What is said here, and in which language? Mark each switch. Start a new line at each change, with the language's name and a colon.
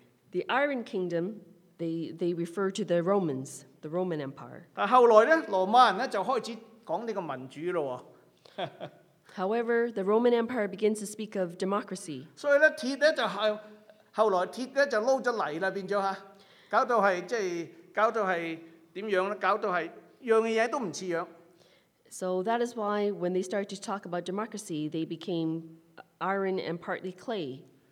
English: The Iron Kingdom, they refer to the Romans, the Roman Empire.
Cantonese: 但后来呢，罗马人呢就开始讲呢个民主咯。
English: However, the Roman Empire begins to speak of democracy. So, that is why when they started to talk about democracy, they became iron and partly clay.